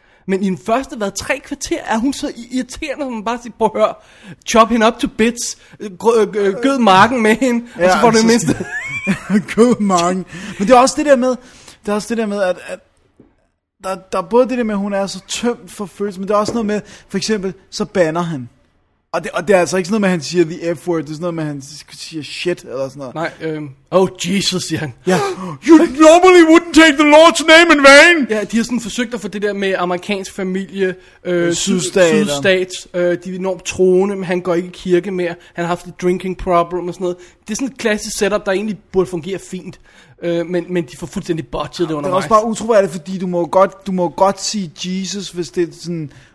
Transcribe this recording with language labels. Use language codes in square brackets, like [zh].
[da] Men i den første, hvad, tre kvarter, er hun så irriterende, at man bare siger, prøv at høre, chop hende [en] up to bits, [da] gød marken med hende, ja, og så får du det mindste. Gød marken. Men det er også det der med, at der er både det der med, at hun er så tømt for følelse, men det er også noget med, for eksempel, så banner han. Og det er altså ikke sådan noget med, at han siger [en] the F word. [da] Det er sådan noget med, at han siger shit eller sådan noget. Nej. Oh Jesus, siger han. Ja. [en] You normally wouldn't take the Lord's name in vain. [da] Ja, de har sådan forsøgt at få det der med amerikansk familie. Sydstat. De er enormt troende, men han går ikke i kirke mere. Han har haft et [en] drinking problem [da] og sådan noget. Det er sådan et klassisk setup, der egentlig burde fungere fint. Men de får fuldstændig botchet det undervejs. Det er også bare utroværdigt, fordi du må godt sige Jesus, hvis det er sådan...